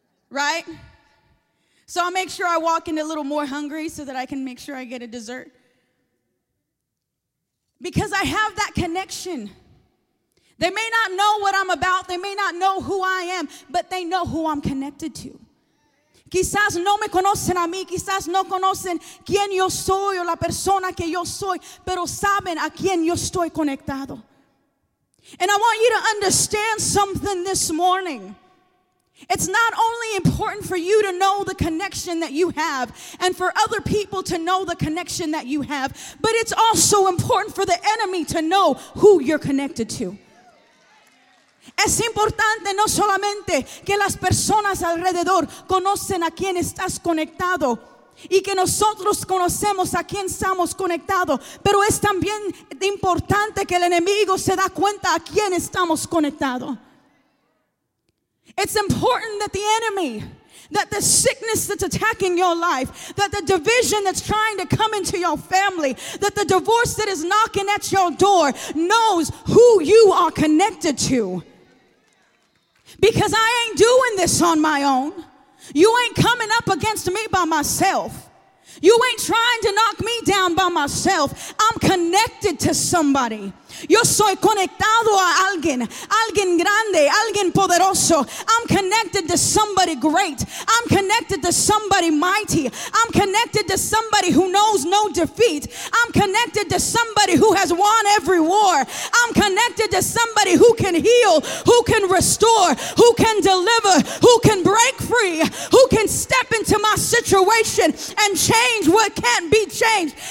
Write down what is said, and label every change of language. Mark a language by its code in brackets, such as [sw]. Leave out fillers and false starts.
[en] Right? So I'll make sure I walk in a little more hungry so that I can make sure I get a dessert. Because I have that connection. They may not know what I'm about. They may not know who I am, but they know who I'm connected to. [es] Quizás no me conocen a mí. Quizás no conocen quién yo soy o la persona que yo soy, pero saben a quién yo estoy conectado. [en] And I want you to understand something this morning. It's not only important for you to know the connection that you have and for other people to know the connection that you have, but it's also important for the enemy to know who you're connected to. [es] Es importante no solamente que las personas alrededor conocen a quién estás conectado y que nosotros conocemos a quién estamos conectados, pero es también importante que el enemigo se da cuenta a quién estamos conectados. [en] It's important that the enemy, that the sickness that's attacking your life, that the division that's trying to come into your family, that the divorce that is knocking at your door knows who you are connected to. Because I ain't doing this on my own. You ain't coming up against me by myself. You ain't trying to knock me down by myself. I'm connected to somebody. [es] Yo soy conectado a alguien, alguien grande, alguien poderoso. [en] I'm connected to somebody great. I'm connected to somebody mighty. I'm connected to somebody who knows no defeat. I'm connected to somebody who has won every war. I'm connected to somebody who can heal, who can restore, who can deliver, who can break free, who can step into my situation and change what can't be changed.